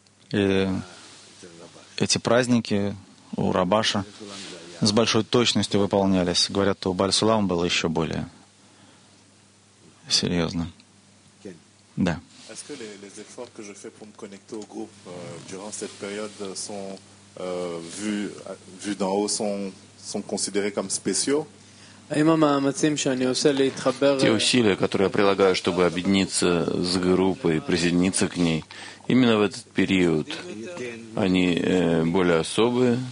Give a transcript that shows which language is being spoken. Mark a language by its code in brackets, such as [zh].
[ru] И эти праздники у Рабаша с большой точностью выполнялись. Говорят, у Бальсулам было еще более серьезно. Да. [fr] Est-ce que les efforts que je fais pour me connecter au groupe durant cette période sont vus d'en haut sont considérés comme spéciaux? [ru] Те усилия, которые я прилагаю, чтобы объединиться с группой, присоединиться к ней, именно в этот период, они более особые?